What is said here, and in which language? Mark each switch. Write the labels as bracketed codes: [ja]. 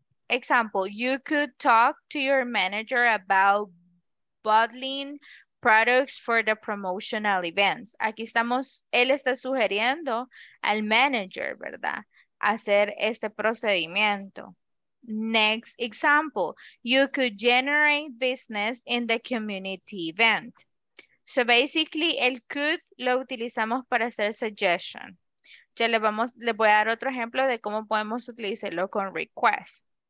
[en] Example, you could talk to your manager about bottling products for the promotional events. [es] Aquí estamos, él está sugiriendo al manager, ¿verdad? Hacer este procedimiento. [en] Next example, you could generate business in the community event. So basically, [es] el could lo utilizamos para hacer suggestion. Ya le voy a dar otro ejemplo de cómo podemos utilizarlo con request.